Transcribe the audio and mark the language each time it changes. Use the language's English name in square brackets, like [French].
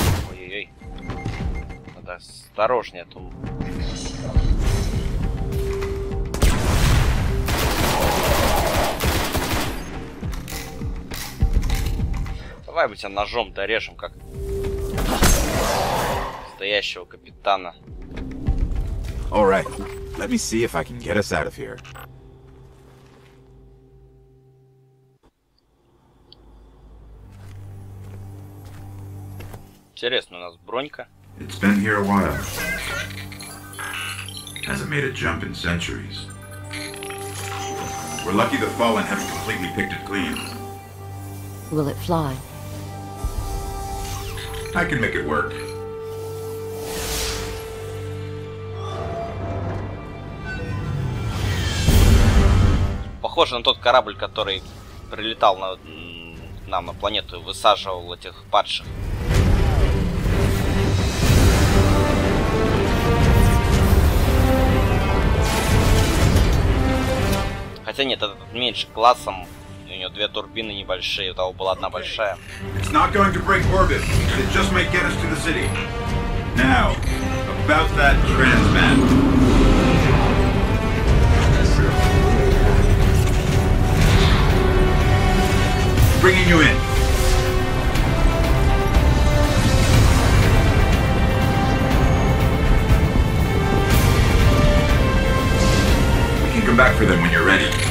[Russian] Ой-ой-ой. Надо осторожнее, а то... Давай мы тебя ножом дорежем, как... настоящего капитана. [English] Alright, let me see if I can get us out of here. [Russian] Интересно, у нас бронька. [English] It's been here a while. Hasn't made a jump in centuries. We're lucky the Fallen haven't completely picked it clean. Will it fly? I can make it work. [Russian] Похоже на тот корабль, который прилетал на нам на планету и высаживал этих падших. Хотя нет, этот меньше классом, у него две турбины небольшие, у того была одна большая. [English] It's not going to break orbit. It just might get us to the city. Now, about that transmat. Bringing you in. We can come back for them when you're ready.